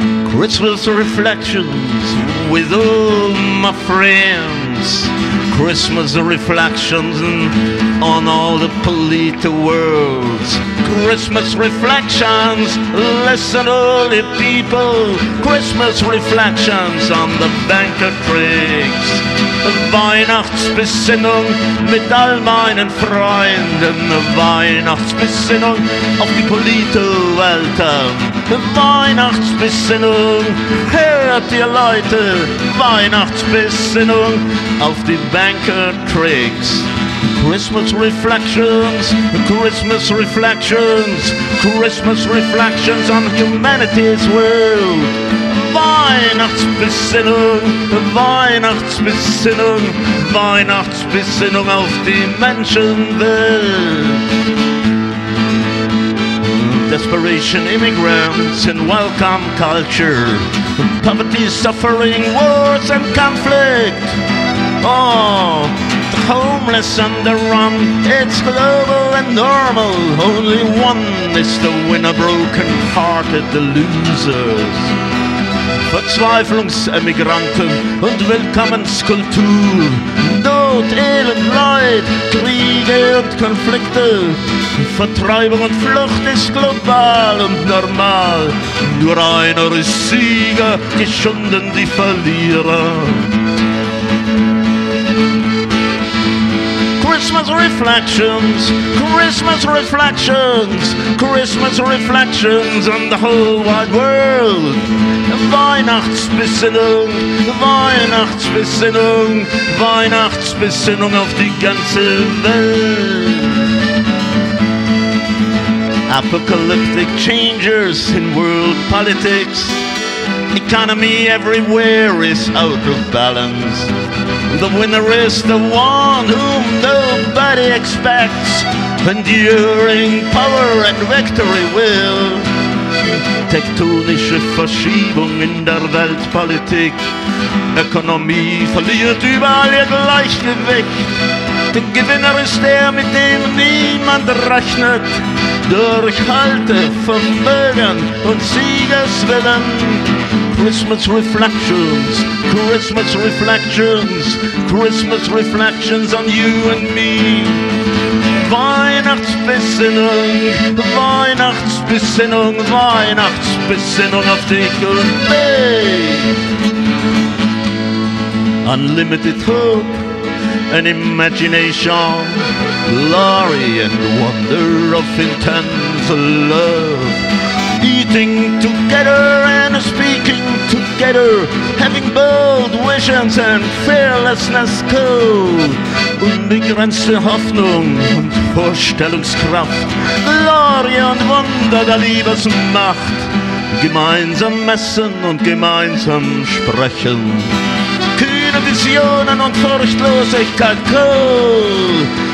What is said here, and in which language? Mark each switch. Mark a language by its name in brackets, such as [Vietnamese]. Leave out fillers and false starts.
[English] Christmas reflections with all my friends. Christmas reflections on all the polite worlds. Christmas reflections, listen all the people. Christmas reflections on the banker tricks. [German] Weihnachtsbesinnung mit all meinen Freunden. Weihnachtsbesinnung auf die [English] polite [German] Welt. Weihnachtsbesinnung, hört ihr Leute, Weihnachtsbesinnung auf die Banker Tricks. [English] Christmas Reflections, Christmas Reflections, Christmas Reflections on humanity's world. [German] Weihnachtsbesinnung, Weihnachtsbesinnung, Weihnachtsbesinnung auf die Menschenwelt. [English] Desperation, immigrants and welcome culture. Poverty, suffering, wars and conflict. Oh, homeless and the run, it's global and normal. Only one is the winner, broken hearted the losers. [German] Verzweiflungsemigranten und Willkommenskultur. Not Elend, Leid, Kriege und Konflikte. Vertreibung und Flucht ist global und normal. Nur einer ist Sieger, geschunden die Verlierer. [English] Christmas Reflections, Christmas Reflections, Christmas Reflections on the whole wide world. [German] Weihnachtsbesinnung, Weihnachtsbesinnung, Weihnachtsbesinnung auf die ganze Welt. [English] Apocalyptic changes in world politics. Economy everywhere is out of balance. The winner is the one whom nobody expects. Enduring power and victory will. [German] Tektonische Verschiebung in der Weltpolitik. Ökonomie verliert überall ihr Gleichgewicht. Der Gewinner ist der, mit dem niemand rechnet. Durchhalte, Vermögen und Siegeswillen. [English] Christmas Reflections, Christmas Reflections, Christmas Reflections on you and me. [German] Weihnachtsbesinnung, Weihnachtsbesinnung, Weihnachtsbesinnung auf dich und mich. [English] Unlimited hope and imagination, glory and wonder of intense love. Eating together and speaking together, having bold visions and fearlessness cool. [German] Unbegrenzte Hoffnung und Vorstellungskraft, Glorie und Wunder der Liebesmacht. Gemeinsam essen und gemeinsam sprechen, kühne Visionen und Furchtlosigkeit cool.